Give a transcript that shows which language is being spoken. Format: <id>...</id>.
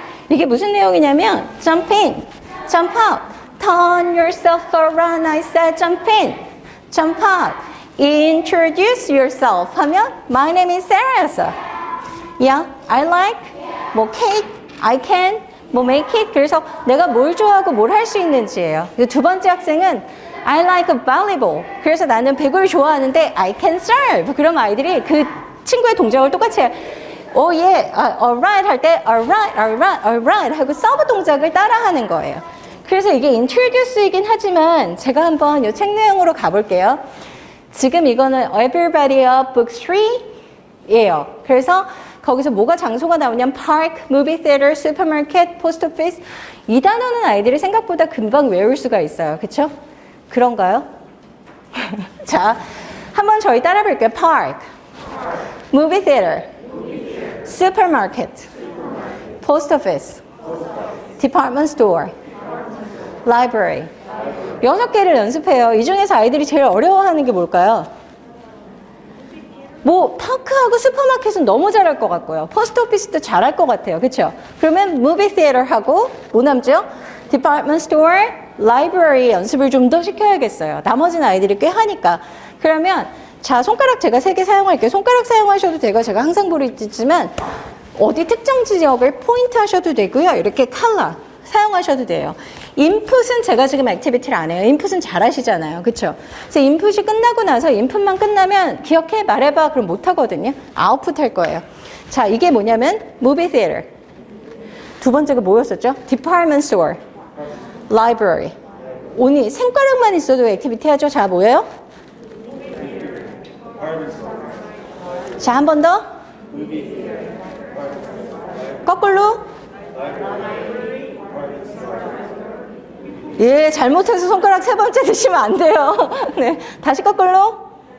<ko>이게 무슨 내용이냐면</ko> <en>jump in, jump out, turn yourself around, I said jump in, jump out, introduce yourself 하면 my name is Sarah. Yeah, I like, yeah. 뭐 cake, I can, 뭐 make it.</en> <ko>그래서 내가 뭘 좋아하고 뭘 할 수 있는지예요. 두 번째 학생은</ko> <en>I like a volleyball.</en> <ko>그래서 나는 배구를 좋아하는데</ko> <en>I can serve.</en> <ko>그럼 아이들이 그 친구의 동작을 똑같이 해요.</ko> <en>Oh yeah, alright</en> <ko>할 때 alright 하고 서브 동작을 따라하는 거예요. 그래서 이게 introduce이긴 하지만 제가 한번 요 책 내용으로 가볼게요. 지금 이거는 Everybody Up Book 3예요. 그래서 거기서 뭐가 장소가 나오냐면 park, movie theater, supermarket, post office. 이 단어는 아이들이 생각보다 금방 외울 수가 있어요. 그쵸? 그런가요? 자, 한번 저희 따라 볼게요.</ko> <en>park, movie theater. Supermarket, post office, department store, library.</en> <ko>여섯 개를 연습해요. 이 중에서 아이들이 제일 어려워하는 게 뭘까요? 뭐 파크하고 슈퍼마켓은 너무 잘할 것 같고요. 포스트 오피스도 잘할 것 같아요. 그렇죠? 그러면 무비 시어터하고 뭐 남죠? department store, library 연습을 좀 더 시켜야겠어요. 나머지는 아이들이 꽤 하니까. 그러면 자 손가락 제가 세 개 사용할게요. 손가락 사용하셔도 되고 제가 항상 보여드리지만 어디 특정 지역을 포인트 하셔도 되고요. 이렇게 컬러 사용하셔도 돼요. 인풋은 제가 지금 액티비티를 안 해요. 인풋은 잘 하시잖아요. 그렇죠? 그래서 인풋이 끝나고 나서 인풋만 끝나면 기억해 말해봐 그럼 못 하거든요. 아웃풋 할 거예요. 자 이게 뭐냐면 무비 theater. 두 번째가 뭐였었죠?</ko> <en>department store, library.</en> <ko>오니 손가락만 있어도 액티비티 하죠. 자 뭐예요? 자, 한 번 더. 거꾸로. 예, 잘못해서 손가락 세 번째 드시면 안 돼요. 네, 다시 거꾸로.</ko>